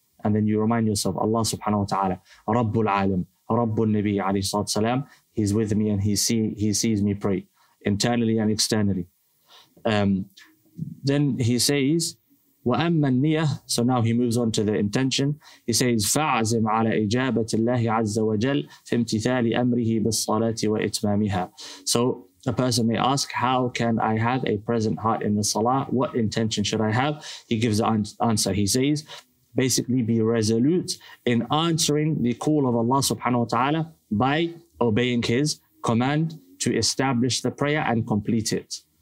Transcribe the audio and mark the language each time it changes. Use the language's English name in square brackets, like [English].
[English] And then you remind yourself, Allah subhanahu wa ta'ala, Rabbul alim, Rabbul Nabi alayhi salatu salam, he's with me and he sees me pray, internally and externally. Then he says, [Arabic] وَأَمَّا النِّيَّةِ. [English] So now he moves on to the intention. He says, [Arabic] فَعَزِمْ عَلَىٰ إِجَابَةِ اللَّهِ عَزَّ وَجَلْ فِي امْتِثَالِ أَمْرِهِ بِالصَّلَاةِ وَإِتْمَامِهَا. [English] So a person may ask, how can I have a present heart in the salah? What intention should I have? He gives the answer. He says, basically be resolute in answering the call of Allah subhanahu wa ta'ala by obeying his command to establish the prayer and complete it.